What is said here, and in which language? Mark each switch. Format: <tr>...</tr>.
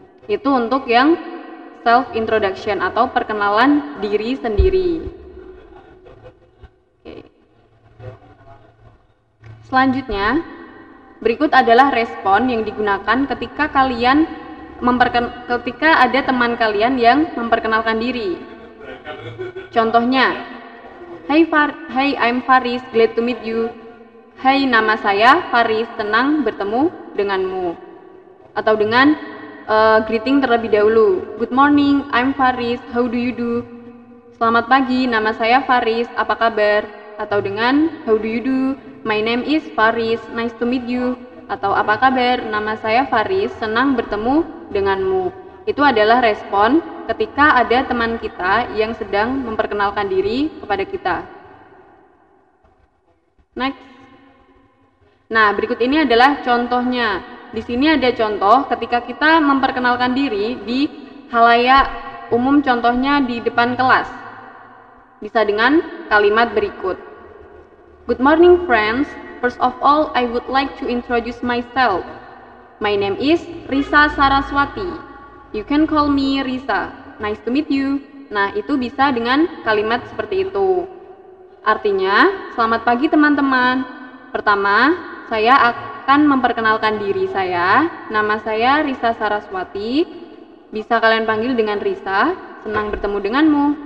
<id>Itu untuk yang self-introduction atau perkenalan diri sendiri. Okay. Selanjutnya, berikut adalah respon yang digunakan ketika kalian ketika ada teman kalian yang memperkenalkan diri.</id> <en>Contohnya, hey, I'm Faris, glad to meet you.</en> <id>Hey, nama saya Faris, senang bertemu denganmu. Atau dengan greeting terlebih dahulu.</id> <en>Good morning, I'm Faris, how do you do?</en> <id>Selamat pagi, nama saya Faris, apa kabar? Atau dengan</id> <en>how do you do? My name is Faris, nice to meet you.</en> <id>Atau apa kabar, nama saya Faris, senang bertemu denganmu. Itu adalah respon ketika ada teman kita yang sedang memperkenalkan diri kepada kita. Next. Nah, berikut ini adalah contohnya. Di sini ada contoh ketika kita memperkenalkan diri di khalayak umum, contohnya di depan kelas. Bisa dengan kalimat berikut.</id> <en>Good morning friends, first of all I would like to introduce myself. My name is Risa Saraswati. You can call me Risa, nice to meet you.</en> <id>Nah, itu bisa dengan kalimat seperti itu. Artinya, selamat pagi teman-teman. Pertama, saya akan memperkenalkan diri saya. Nama saya Risa Saraswati. Bisa kalian panggil dengan Risa, senang bertemu denganmu.</id>